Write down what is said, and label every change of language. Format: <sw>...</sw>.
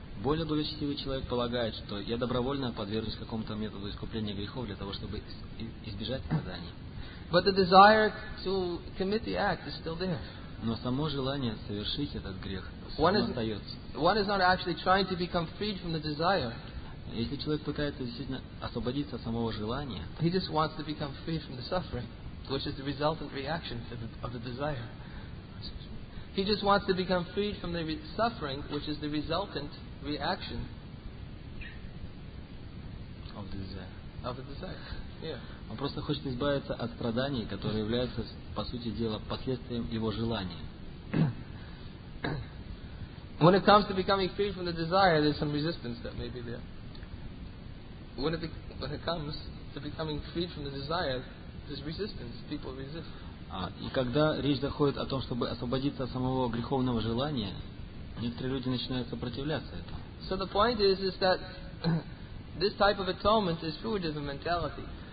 <ru>Более благочестивый человек полагает, что я добровольно подвержусь какому-то методу искупления грехов для того, чтобы избежать страданий.</ru> <en>But the desire to commit the act is still there.</en> <ru>Но само желание совершить этот грех остается.</ru> <en>One is not actually trying to become freed from the desire.</en> <ru>Если человек пытается действительно освободиться от самого желания,</ru> <en>he just wants to become freed from the suffering, which is the resultant reaction of the desire. He just wants to become freed from the suffering, which is the resultant reaction of the desire. Of the desire. Yeah.</en> <ru>Он просто хочет избавиться от страданий, которые являются, по сути дела, последствием его желания.</ru> <en>When it comes to becoming free from the desire, there's some resistance that may be there. When it comes to becoming free from the desire, there's resistance. People resist.</en> <ru>И когда речь заходит о том, чтобы освободиться от самого греховного желания, некоторые люди начинают сопротивляться этому.</ru> <en>So the point is that this type of atonement is fruitive mentality.</en>